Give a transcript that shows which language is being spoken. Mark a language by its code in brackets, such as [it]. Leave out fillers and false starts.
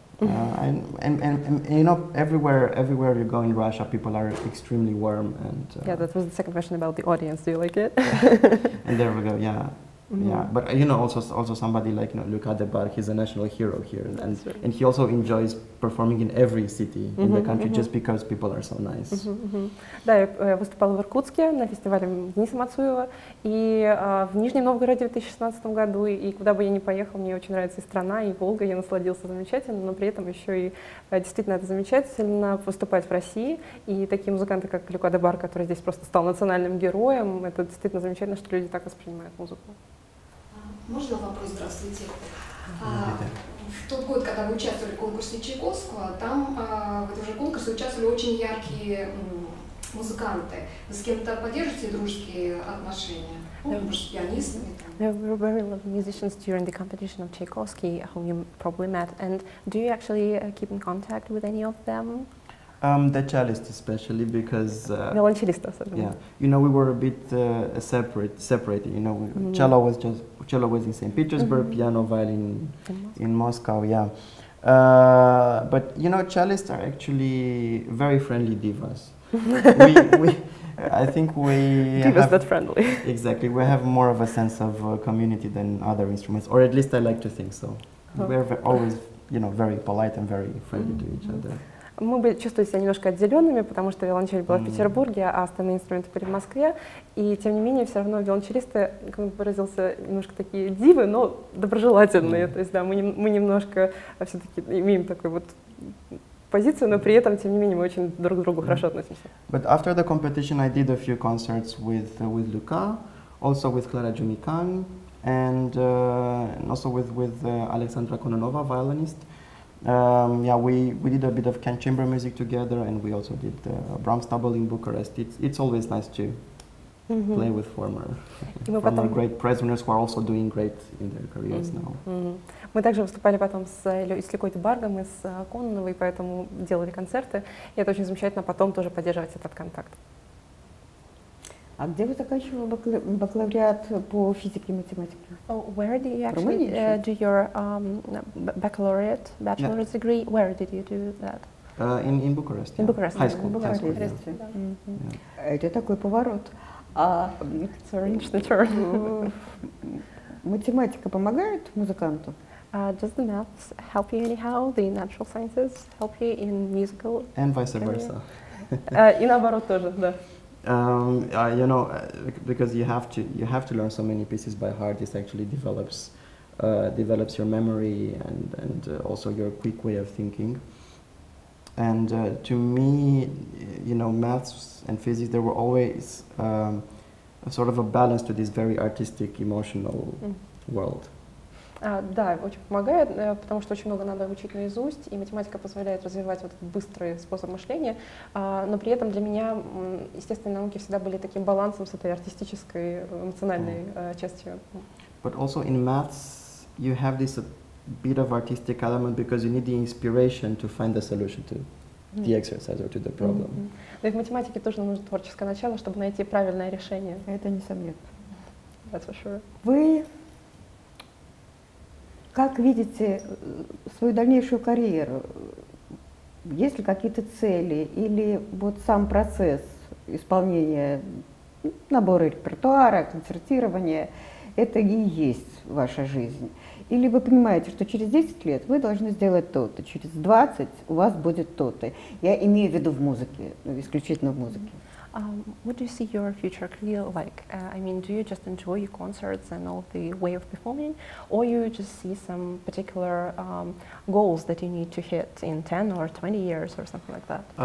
[en] And you know, everywhere you go in Russia, people are extremely warm. That was the second question about the audience. Do you like it? And there we go. Yeah. Mm-hmm. Yeah, but you know, also somebody like, you know, Luca de Bar, he's a national hero here, and right. and he also enjoys performing in every city mm-hmm, in the country mm-hmm. just because people are so nice. Mm-hmm, mm-hmm. [ru] Да, я выступала в Иркутске на фестивале Дениса Мацуева и в Нижнем Новгороде в 2016 году, и куда бы я ни поехала, мне очень нравится и страна, и Волга, я насладился замечательно, но при этом еще и действительно это замечательно выступать в России, и такие музыканты, как Люка де Бар, который здесь просто стал национальным героем, это действительно замечательно, что люди так воспринимают музыку. Можно вопрос? Здравствуйте. В тот год, когда вы участвовали в конкурсе Чайковского, там в этом же конкурсе участвовали очень яркие музыканты. Вы с кем-то поддерживаете дружеские отношения? [en] There were very lovely musicians during the competition of Tchaikovsky, whom you probably met. And do you actually keep in contact with any of them? The cellist especially, because... Violoncellista, certainly. Yeah. You know, we were a bit separated, you know. Mm-hmm. Cello was in St. Petersburg, mm-hmm. piano, violin in Moscow, yeah. But, you know, cellists are actually very friendly divas. I think we have that friendly. Exactly. We have more of a sense of community than other instruments, or at least I like to think so. Oh. We're always, you know, very polite and very friendly mm-hmm. to each other. [ru] Мы бы чувствовали себя немножко отделенными, потому что виолончель была в Петербурге, а остальные инструменты были в Москве. И тем не менее, все равно виолончелисты, как бы выразился, немножко такие дивы, но доброжелательные. Mm-hmm. То есть, да, мы немножко все-таки имеем такой вот позицию, но при этом, тем не менее, мы очень друг к другу mm-hmm. хорошо относимся. [en] But after the competition, I did a few concerts with Luca, also with Clara Junican, and also with Alexandra Kononova, violinist. We did a bit of Kent chamber music together, and we also did Brahms double in Bucharest. It's always nice to mm-hmm. play with former great prisoners who are also doing great in their careers mm-hmm. now. Mm-hmm. [ru] Мы также выступали потом с Люкой де Баргом и с Кононовой, поэтому делали концерты. И это очень замечательно потом тоже поддерживать этот контакт. А где вы заканчивали бакалавриат по физике и математике? [en] Oh, where did you actually do your bachelor's yeah. degree? Where did you do that? In Bucharest. In Bucharest. High school. Bucharest. High school. [ru] Yeah. Mm-hmm. Yeah. Это такой поворот. [en] It's a very interesting turn. [ru] Математика помогает музыканту? [en] Does the maths help you anyhow? The natural sciences help you in musical? And vice versa. [ru] И наоборот тоже, да. [en] You know, because you have to learn so many pieces by heart. This actually develops your memory and also your quick way of thinking. And to me, you know, maths and physics, there were always a sort of a balance to this very artistic, emotional world. [ru] Да, очень помогает, потому что очень много надо учить наизусть, и математика позволяет развивать вот этот быстрый способ мышления, но при этом для меня естественные науки всегда были таким балансом с этой артистической, эмоциональной частью. [en] But also in maths you have this bit of artistic element because you need the inspiration to find the solution to the exercise or to the problem. [ru] Mm-hmm. Да, и в математике тоже нужно творческое начало, чтобы найти правильное решение. Это несомненно. [en] That's for sure. [ru] Вы как видите свою дальнейшую карьеру? Есть ли какие-то цели или вот сам процесс исполнения набора репертуара, концертирования, это и есть ваша жизнь? Или вы понимаете, что через 10 лет вы должны сделать то-то, через 20 у вас будет то-то? Я имею в виду в музыке, исключительно в музыке. [en] What do you see your future career like? I mean, do you just enjoy your concerts and all the way of performing, or you just see some particular goals that you need to hit in 10 or 20 years or something like that?